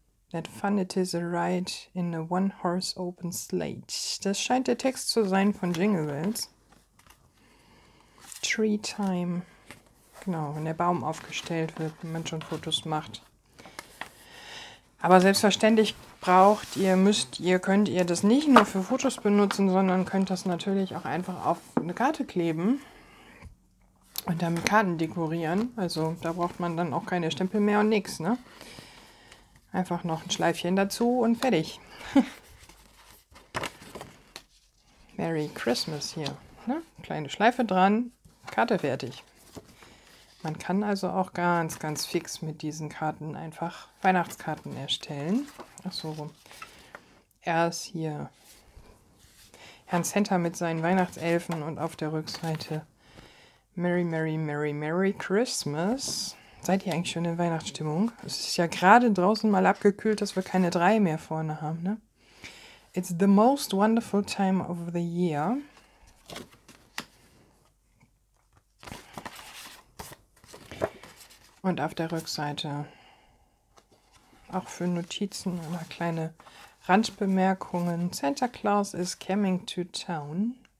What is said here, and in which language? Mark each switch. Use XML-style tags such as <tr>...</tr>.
<en>That fun it is a ride in a one horse open sleigh.</en> <de>Das scheint der Text zu sein von Jingle Bells. Tree Time. Genau, wenn der Baum aufgestellt wird, wenn man schon Fotos macht. Aber selbstverständlich braucht ihr, müsst ihr, könnt ihr das nicht nur für Fotos benutzen, sondern könnt das natürlich auch einfach auf eine Karte kleben und damit Karten dekorieren. Also da braucht man dann auch keine Stempel mehr und nichts, ne? Einfach noch ein Schleifchen dazu und fertig.</de> <en>Merry Christmas</en> <de>hier, ne? Kleine Schleife dran, Karte fertig. Man kann also auch ganz, ganz fix mit diesen Karten einfach Weihnachtskarten erstellen. Achso, er ist hier Herrn Santa mit seinen Weihnachtselfen und auf der Rückseite</de> <en>Merry, Merry, Merry, Merry Christmas.</en> <de>Seid ihr eigentlich schon in Weihnachtsstimmung? Es ist ja gerade draußen mal abgekühlt, dass wir keine drei mehr vorne haben, ne?</de> <en>It's the most wonderful time of the year.</en> <de>Und auf der Rückseite auch für Notizen oder kleine Randbemerkungen.</de> <en>Santa Claus is coming to town.</en>